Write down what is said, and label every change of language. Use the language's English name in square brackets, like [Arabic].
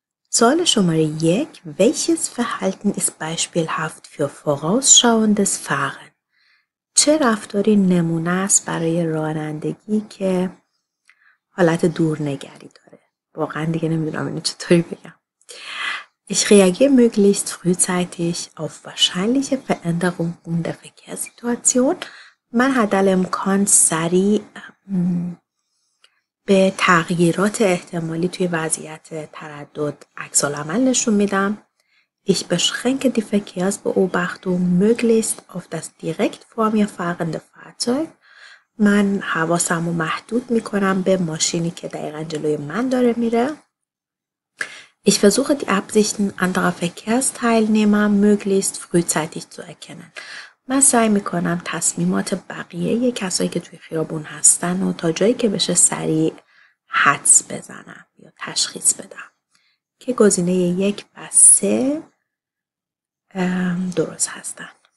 [Persian] سوال شماره 1: [German] Welches Verhalten ist beispielhaft für vorausschauendes Fahren؟ [Persian] چه رفتاری نمونه است برای رانندگی که حالت دورنگری داره؟ واقعا دیگه نمیدونم اینو چطوری بگم. [German] Ich reagiere möglichst frühzeitig auf wahrscheinliche Veränderungen der Verkehrssituation. [Persian] من حدال امکان سریع به تغییرات احتمالی توی وضعیت تردد عکس العمل نشون میدم. [German] Ich beschränke die Verkehrsbeobachtung möglichst auf das direkt vor mir fahrende Fahrzeug. [Persian] من حواسم رو محدود میکنم به ماشینی که دقیقا جلوی من داره میره. [German] Ich versuche die Absichten anderer Verkehrsteilnehmer möglichst frühzeitig zu erkennen. [Persian] من سعی میکنم تصمیمات بقیه کسایی که توی خیابون هستن و تا جایی که بشه سریع حدس بزنم یا تشخیص بدم که گزینه 1 و 3 درست هستن.